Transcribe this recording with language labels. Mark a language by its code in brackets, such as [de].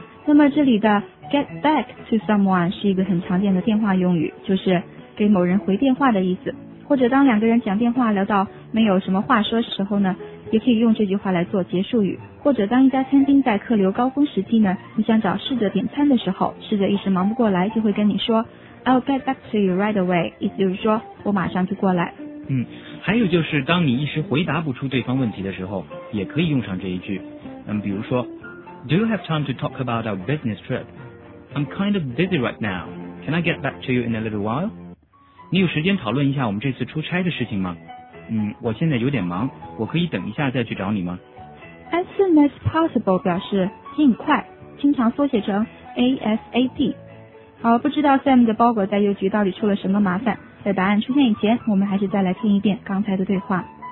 [zh] 那么这里的 [en] get back to someone [zh] 是一个很常见的电话用语，就是给某人回电话的意思，或者当两个人讲电话聊到没有什么话说的时候呢，也可以用这句话来做结束语，或者当一家餐厅在客流高峰时期呢，你想找侍者点餐的时候，侍者一时忙不过来就会跟你说 [en] I'll get back to you right away， [zh] 意思就是说我马上就过来。还有就是当你一时回答不出对方问题的时候，也可以用上这一句。比如说 [en] Do you have time to talk about our business trip? I'm kind of busy right now. Can I get back to you in a little while? [zh] 你有时间讨论一下我们这次出差的事情吗？我现在有点忙，我可以等一下再去找你吗？ [en] As soon as possible [zh] 表示尽快，经常缩写成 ASAP。好，不知道 Sam 的包裹在邮局到底出了什么麻烦，在答案出现以前，我们还是再来听一遍刚才的对话。